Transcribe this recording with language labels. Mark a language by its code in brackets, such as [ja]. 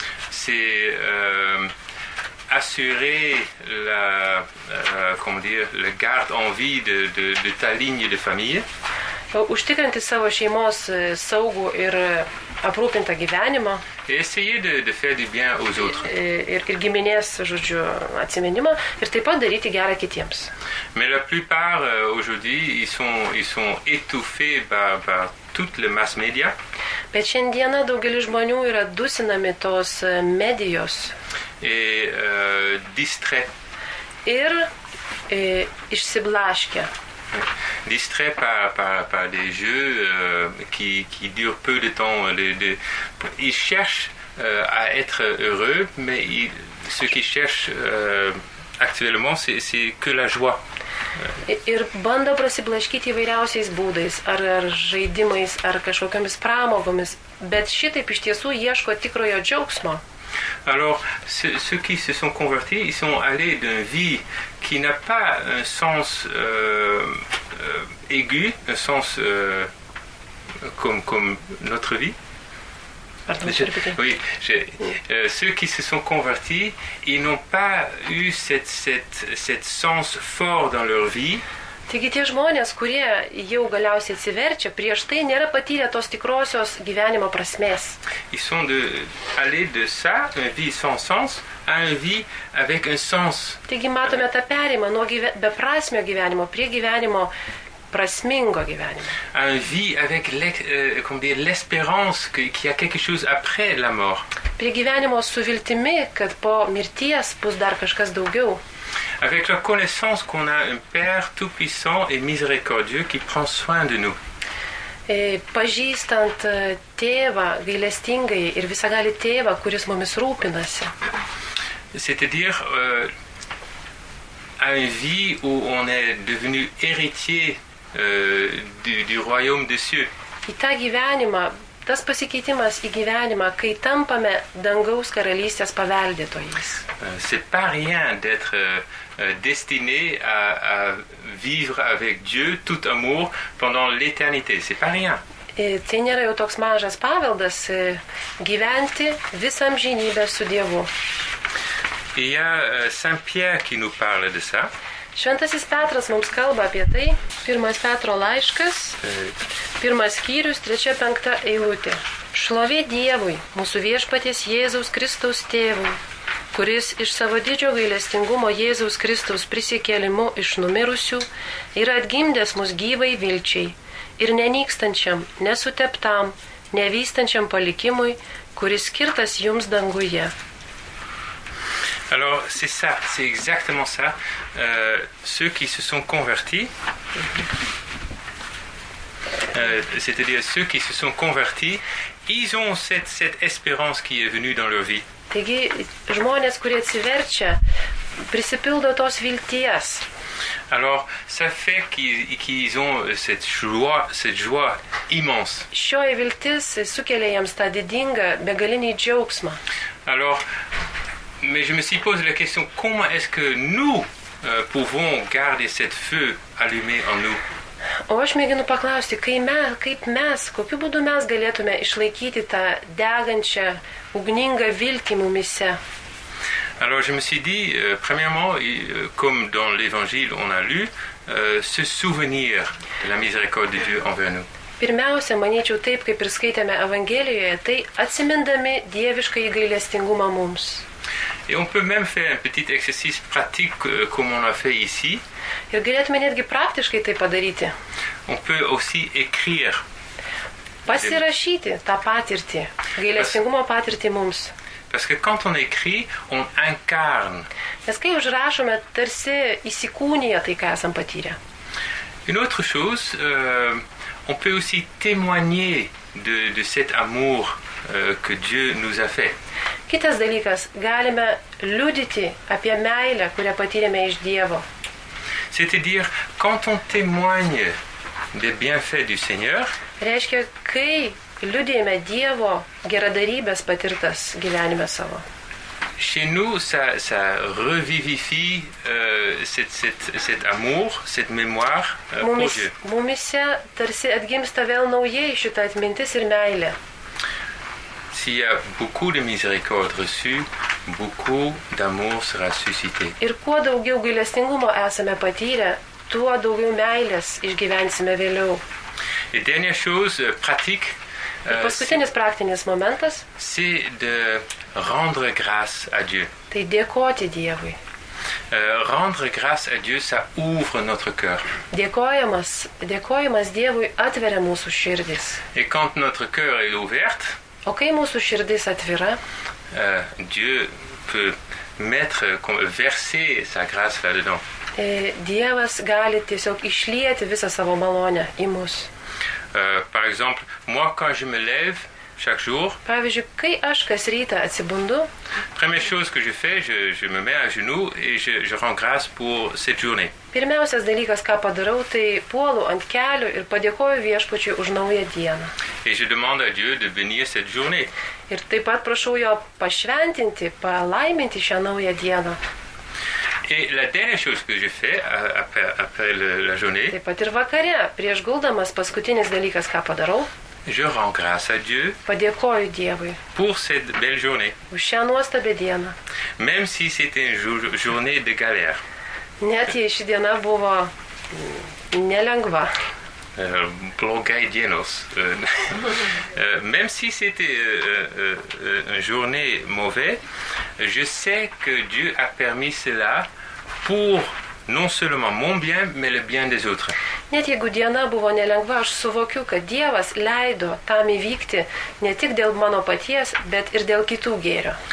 [fr] C'est assurer la comment dire le garde en vie de ta ligne de famille. [lt] Užtikrinti savo šeimos saugų ir aprūpintą gyvenimą. [fr] Essayer de faire du bien aux autres. [lt] Ir giminės, žodžiu, atsiminimą ir taip pat daryti gerą kitiems. [fr] Mais la plupart aujourd'hui, ils sont étouffés par toutes les masses médias. [lt] Bet šiandieną daugelis žmonių yra dusinami tos medijos. [fr] Et distrait. [lt] Ir išsiblaškę. [fr] Distrait par des jeux qui durent peu de temps. Ils cherchent à être heureux, mais ce qu'ils cherchent actuellement, c'est que la joie. [lt] Ir bando prasiblaškyti įvairiausiais būdais, ar žaidimais, ar kažkokiomis pramogomis, bet šitaip iš tiesų ieško tikrojo džiaugsmo. [fr] Alors, ceux qui se sont convertis, ils sont allés d'une vie qui n'a pas un sens aigu, un sens comme notre vie. Pardon, ceux qui se sont convertis, ils n'ont pas eu cette sens fort dans leur vie. [lt] Taigi tie žmonės, kurie jau galiausiai atsiverčia, prieš tai nėra patyrę tos tikrosios gyvenimo prasmės. [fr] Ils sont de aller de ça, une vie sans sens, à une vie avec un sens. [lt] Taigi matome tą perėjimą nuo beprasmio gyvenimo prie gyvenimo prasmingo gyvenimo. [fr] À une vie avec l'espérance qu'il y a quelque chose après la mort. [lt] Prie gyvenimo su viltimi, kad po mirties bus dar kažkas daugiau. [fr] Avec la connaissance qu'on a un Père tout-puissant et miséricordieux qui prend soin de nous. [lt] Pažįstant tėvą gailestingai ir visagalį tėvą, kuris mumis rūpinasi. [fr] C'est-à-dire à une vie où on est devenu héritier du royaume des cieux. [lt] Į tą gyvenimą, tas pasikeitimas į gyvenimą, kai tampame dangaus karalystės paveldėtojais. [fr] C'est pas rien d'être destiné à vivre avec Dieu tout amour pendant l'éternité. C'est pas rien. [lt] Tai nėra jau toks mažas paveldas gyventi visam žinybę su Dievu. [fr] Il y a Saint Pierre qui nous parle de ça. [lt] Šventasis Petras mums kalba apie tai. Pirmas Petro laiškas, pirmas skyrius, trečia penkta eilutė. Šlovė Dievui, mūsų viešpaties Jėzaus Kristaus tėvui, kuris iš savo didžio gailestingumo Jėzaus Kristaus prisikėlimu iš numirusių yra atgimdęs mus gyvai vilčiai ir nenykstančiam, nesuteptam, nevystančiam palikimui, kuris skirtas jums danguje. [fr] Alors, c'est ça, c'est exactement ça. Ceux qui se sont convertis, c'est-à-dire ceux qui se sont convertis, ils ont cette espérance qui est venue dans leur vie. [lt] Taigi, žmonės, kurie atsiverčia, prisipildo tos vilties. [fr] Alors, ça fait qu'ils ont cette joie immense. [lt] Šioji viltis sukelia jiems tą didingą, begalinį džiaugsmą. [fr] Alors, mais je me suis posé la question, comment est-ce que nous pouvons garder cette feu allumé en nous? [lt] O aš mėginu paklausti, kaip mes, kokiu būdu mes galėtume išlaikyti tą degančią, ugningą viltį mumise? [fr] Alors je me suis dit, premièrement, comme dans l'évangile on a lu, se souvenir de la miséricorde de Dieu envers nous. [lt] Pirmiausia, manyčiau taip, kaip ir skaitėme Evangelijoje, tai atsimindami dievišką gailestingumą mums. [fr] Et on peut même faire un petit exercice pratique comme on a fait ici. [lt] Ir galėtume netgi praktiškai tai padaryti. [fr] On peut aussi écrire. [lt] Pasirašyti tą patirtį, gailestingumo patirtį mums. [fr] Parce que quand on écrit, on incarne. [lt] Nes kai užrašome, tarsi įsikūnija tai, ką esam patyrę. [fr] Une autre chose, on peut aussi témoigner de cet amour que Dieu nous a fait. [lt] Kitas dalykas, galime liudyti apie meilę, kurią patyrėme iš Dievo. [fr] C'est-à-dire, quand on témoigne des bienfaits du Seigneur, [lt] reiškia, kai liudėjame Dievo geradarybės patirtas gyvenime savo. [fr] Chez nous, ça revivifie cet amour, cette mémoire pour Dieu. [lt] Mumise tarsi atgimsta vėl naujai šita atmintis ir meilė. [fr] S'il y a beaucoup de miséricorde reçue, beaucoup d'amour sera suscité. [lt] Ir kuo daugiau gailestingumo esame patyrę, tuo daugiau meilės išgyvensime vėliau. [fr] Et dernière chose, pratique. [lt] Ir paskutinis praktinis momentas. [fr] C'est de rendre grâce à Dieu. [lt] Tai dėkoti Dievui. [fr] Rendre grâce à Dieu, ça ouvre notre cœur. [lt] Dėkojimas Dievui atveria mūsų širdis. [fr] Et quand notre cœur est ouverte, [lt] o kai mūsų širdis atvira, [fr] Dieu peut mettre, verser sa grâce là-dedans. [lt] Dievas gali tiesiog išlieti visą savo malonę į mus. [fr] Par exemple, moi quand je me lève chaque jour, [lt] pavyzdžiui, kai aš kas rytą atsibundu, [fr] première chose que je fais, je me mets à genoux et je rends grâce pour cette journée. [lt] Pirmiausias dalykas, ką padarau, tai puolu ant kelių ir padėkoju viešpačiui už naują dieną. [fr] Et je demande à Dieu de bénir cette journée. [lt] Ir taip pat prašau jo pašventinti, palaiminti šią naują dieną. [fr] Et la dernière chose que je fais après la journée. [lt] Taip pat ir vakare, prieš guldamas, paskutinis dalykas, ką padarau. [fr] Je rends grâce à Dieu. [lt] Padėkoju Dievui. [fr] Pour cette belle journée. [lt] Už šią nuostabią dieną. [fr] Même si c'était une journée de galère. [lt] Net jei ši diena buvo nelengva. Blogai dienos. [fr] Même si c'était une journée mauvaise, je sais que Dieu a permis cela pour non seulement mon bien, mais le bien des autres. [lt] Net jeigu diena buvo nelengva, aš suvokiu, kad Dievas leido tam įvykti ne tik dėl mano paties, bet ir dėl kitų gėrio.